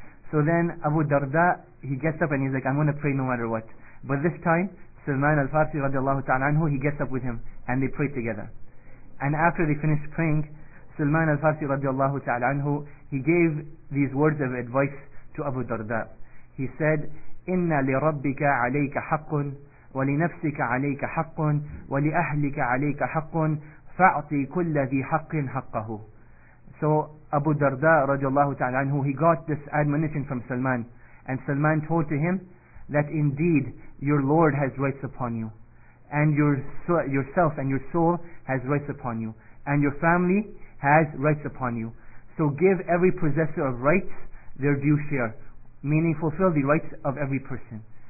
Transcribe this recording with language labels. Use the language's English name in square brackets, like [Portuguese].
[English] So then Abu Darda, he gets up and he's like, I'm going to pray no matter what. But this time, Salman al-Farsi radiallahu ta'ala anhu, he gets up with him and they pray together. And after they finish praying, Salman al-Farsi radiallahu ta'ala anhu, he gave these words of advice to Abu Darda. He said, [Arabic] إِنَّ لِرَبِّكَ عَلَيْكَ حَقٌّ وَلِنَفْسِكَ عَلَيْكَ حَقٌّ وَلِأَهْلِكَ عَلَيْكَ حَقٌّ فَأْطِي كُلَّ ذِي حَقٍ حَقَّهُ. [English] So Abu Darda radiallahu ta'ala anhu, he got this admonition from Salman. And Salman told to him that indeed your Lord has rights upon you. and yourself and your soul has rights upon you, and your family has rights upon you. So give every possessor of rights their due share, meaning fulfill the rights of every person.